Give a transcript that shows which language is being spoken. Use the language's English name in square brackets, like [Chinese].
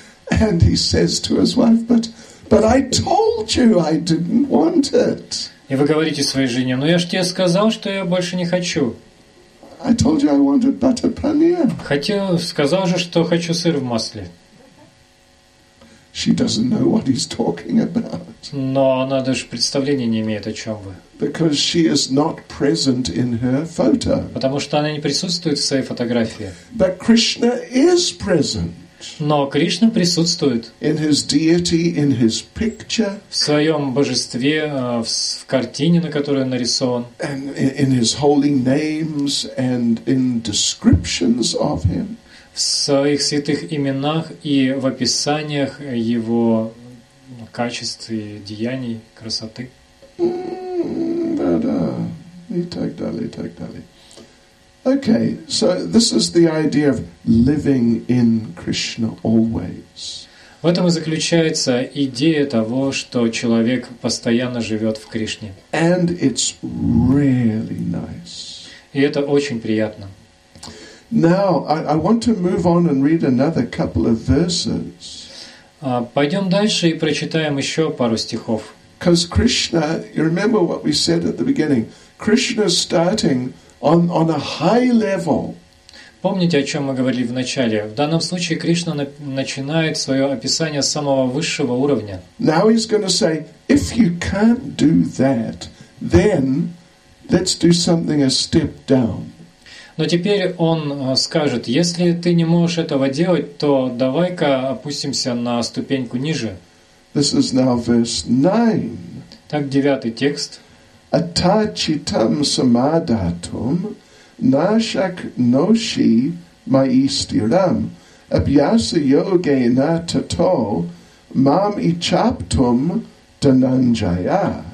[English] And he says to his wife, but I told you I didn't want it. [Russian] И вы говорите своей жене: ну я ж тебе сказал, что я больше не хочу. [English] I told you I wanted butter paneer. [Russian] Хотел, сказал же, что хочу сыр в масле. [English] She doesn't know what he's talking about. [Russian] Но она даже представления не имеет, о чем вы. [English] Because she is not present in her photo. [Russian] Потому что она не присутствует в своей фотографии. [English] But Krishna is present. [Russian] Но Кришна присутствует. [English] In his deity, in his picture. [Russian] В своем божестве, в картине, на которой он нарисован. [English] And in his holy names and in descriptions of him. [Russian] В своих святых именах и в описаниях его качестве деяний красоты. Да-да, и так далее, и так далее. [English] Okay, so this is the idea of living in Krishna always. [Russian] В этом и заключается идея того, что человек постоянно живет в Кришне. [English] And it's really nice. [Russian] И это очень приятно. [English] Now, I want to move on and read another couple of verses. [Russian] Пойдем дальше и прочитаем еще пару стихов. [English] Because Krishna, you remember what we said at the beginning, Krishna is starting on a high level. [Russian] Помните, о чем мы говорили в начале? В данном случае Кришна начинает свое описание с самого высшего уровня. [English] Now he's going to say, if you can't do that, then let's do something a step down. [Russian] Но теперь он скажет, если ты не можешь этого делать, то давай-ка опустимся на ступеньку ниже. [English] This is now verse 9. [Russian] Так, девятый текст. [Sanskrit] Atachitam samadhatum nashak noshi maistiram abhyasa yogena tato mam ichaptum dananjaya.